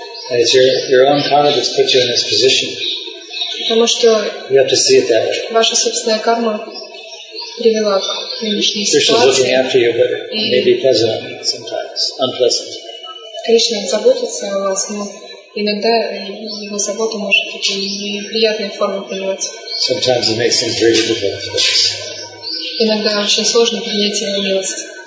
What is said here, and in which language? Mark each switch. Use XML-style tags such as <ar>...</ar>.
<en>And it's your own karma that's put you in this position.</en> <ru>Потому что</ru> <en>you have to see it that way.</en> <ru>Ваша собственная карма привела к нынешней ситуации.</ru> <en>Krishna is looking after you, but maybe pleasant sometimes, unpleasant.</en> <ru>Кришна заботится о вас, но иногда его забота может быть неприятной формой приниматься.</ru> <en>Sometimes he makes things very difficult for us.</en> <ru>Иногда очень сложно принять его милость.</ru>